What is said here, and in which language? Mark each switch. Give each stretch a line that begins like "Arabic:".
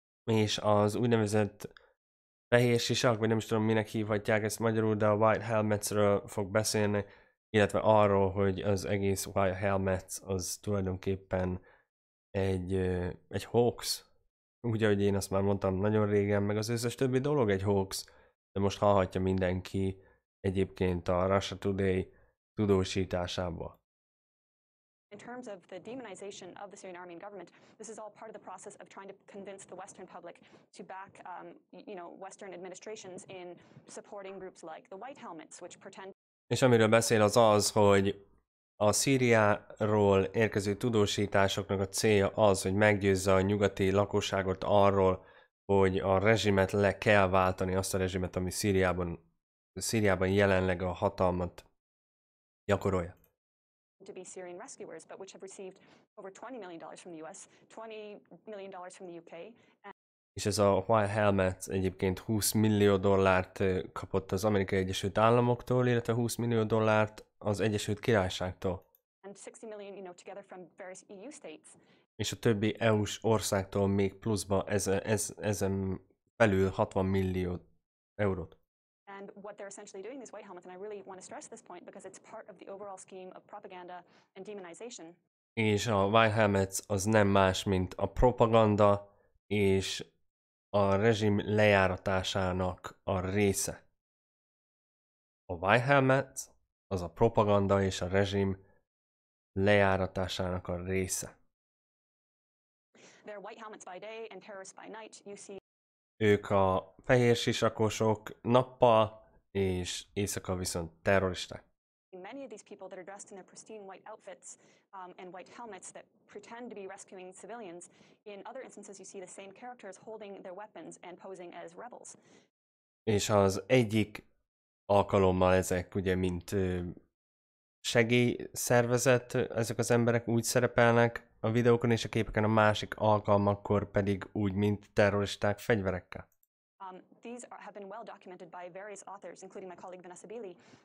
Hungarian: És az úgynevezett fehér sisak, vagy nem is tudom, minek hívhatják ezt magyarul, de a White Helmets-ről fog beszélni, illetve arról, hogy az egész White Helmets az tulajdonképpen egy hoax. Úgy, ahogy én azt már mondtam nagyon régen, meg az összes többi dolog egy hoax, de most hallhatja mindenki egyébként a Russia Today tudósításából.
English: In terms of the demonization of the Syrian army and government, this is all part of the process of trying to convince the Western public to back, Western administrations in supporting groups like the White Helmets, which pretend.
Hungarian: És amiről beszél az, hogy a Szíriáról érkező tudósításoknak a célja az, hogy meggyőzze a nyugati lakosságot arról, hogy a rezsimet le kell váltani, azt a rezsimet, ami Szíriában jelenleg a hatalmat gyakorolja.
English: To be Syrian rescuers, but which have received over $20 million from the US, $20 million from the UK.
Hungarian: És ez a White Helmet egyébként 20 millió dollárt kapott az Amerikai Egyesült Államoktól, illetve 20 millió dollárt az Egyesült Királyságtól.
English: And 60 million, together from various EU states.
Hungarian: És a többi EU-s országtól még pluszba ezen belül 60 millió eurót.
English: And what they're essentially doing, these White Helmets, and I really want to stress this point because it's part of the overall scheme of propaganda and demonization.
Hungarian: És a White Helmets az nem más, mint a propaganda és a rezsim lejáratásának a része. A White Helmets az a propaganda és a rezsim lejáratásának a része.
English: They're White Helmets by day and terrorists by night. You see.
Hungarian: Ők a fehér sisakosok nappal, és éjszaka viszont terroristák.
English: Many of these people that are dressed in their pristine white outfits and white helmets that pretend to be rescuing civilians, in other instances you see the same characters holding their weapons and posing as rebels.
Hungarian: És az egyik alkalommal ezek ugye mint segélyszervezet, ezek az emberek úgy szerepelnek a videókon és a képeken, a másik alkalmakkor pedig úgy, mint terroristák fegyverekkel.
English: These have been well documented by various authors, including my colleague Vanessa Bailey.